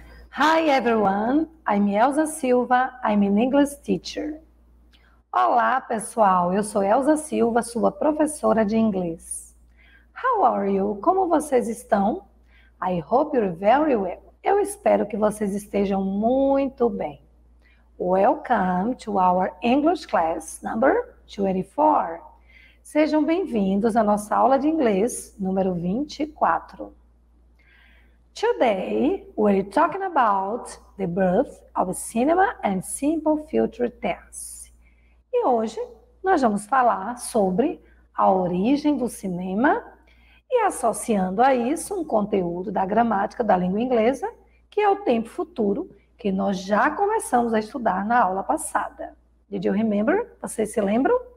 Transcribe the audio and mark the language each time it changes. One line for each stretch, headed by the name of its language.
English: Hi everyone, I'm Elsa Silva, I'm an English teacher.
Portuguese: Olá pessoal, eu sou Elsa Silva, sua professora de inglês.
English: How are you?
Portuguese: Como vocês estão?
English: I hope you're very well.
Portuguese: Eu espero que vocês estejam muito bem.
English: Welcome to our English class number 24.
Portuguese: Sejam bem-vindos à nossa aula de inglês número 24.
English: Today, we're talking about the birth of cinema and simple future tense.
Portuguese: E hoje, nós vamos falar sobre a origem do cinema e associando a isso um conteúdo da gramática da língua inglesa, que é o tempo futuro, que nós já começamos a estudar na aula passada.
English: Did you remember?
Portuguese: Vocês se lembram?